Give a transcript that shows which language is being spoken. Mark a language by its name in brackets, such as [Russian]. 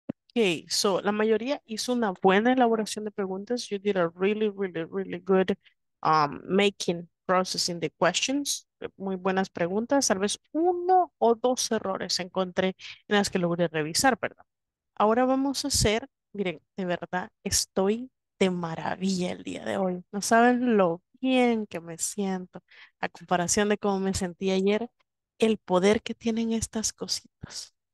[Spanish] Okay, so la mayoría hizo una buena elaboración de preguntas. [English] You did a really, really, really good making, processing the questions. [Spanish] Muy buenas preguntas. Tal vez uno o dos errores encontré en las que logré revisar, ¿verdad? Ahora vamos a hacer, miren, de verdad estoy de maravilla el día de hoy. No saben lo bien que me siento a comparación de cómo me sentí ayer, el poder que tienen estas cositas.